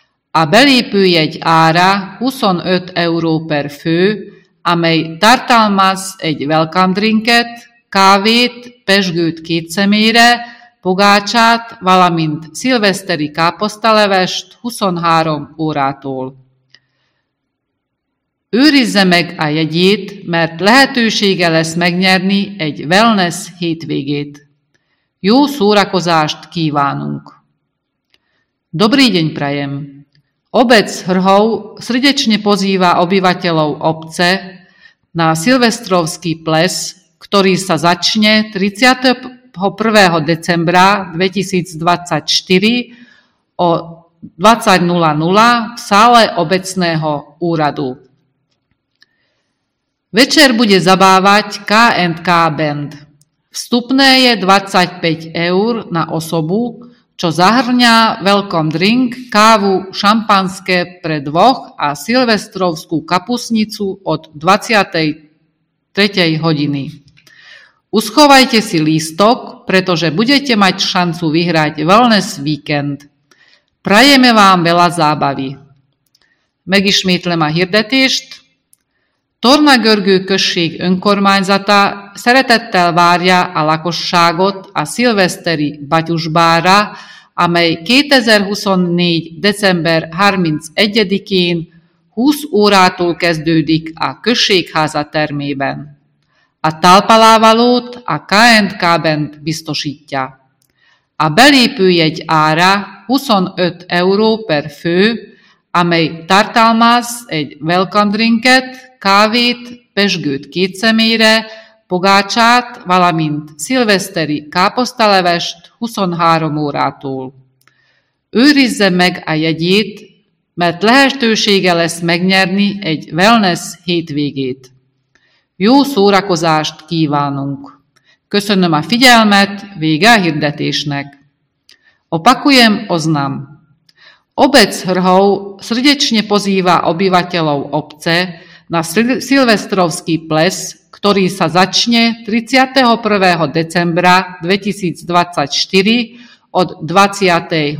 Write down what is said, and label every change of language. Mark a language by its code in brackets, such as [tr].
[hu] A belépőjegy ára 25 euró per fő, amely tartalmaz egy welcome drinket, kávét, pezsgőt két szemére, pogácsát, valamint szilveszteri káposztalevest 23 órától. Őrizze meg a jegyét, mert lehetősége lesz megnyerni egy wellness hétvégét. Jó szórakozást kívánunk! [sk] Dobrý deň prajem! Obec Hrhov srdečne pozýva obyvateľov obce na silvestrovský ples, ktorý sa začne 31. decembra 2024 o 20.00 v sále obecného úradu. Večer bude zabávať K&K band. Vstupné je 25 eur na osobu, čo zahrňa welcome drink, kávu, šampanské pre dvoch a silvestrovskú kapusnicu od 23. hodiny. Uschovajte si lístok, pretože budete mať šancu vyhrať wellness víkend. Prajeme vám veľa zábavy. [hu] Megismétlem a hirdetést. Tornagörgő község önkormányzata szeretettel várja a lakosságot a szilveszteri Batyusbálra, amely 2024. december 31-én 20 órától kezdődik a községháza termében. A talpalávalót a K&K Band biztosítja. A belépőjegy ára 25 euró per fő, amely tartalmaz egy welcome drinket, kávét, pezsgőt két szemére, pogácsát, valamint szilveszteri káposztalevest 23 órától. Őrizze meg a jegyét, mert lehetősége lesz megnyerni egy wellness hétvégét. Jó szórakozást kívánunk! Köszönöm a figyelmet, vége a hirdetésnek! [sk] Opakujem, oznám! Obec Hrhov srdečne pozýva obyvateľov obce na silvestrovský ples, ktorý sa začne 31. decembra 2024 od 20.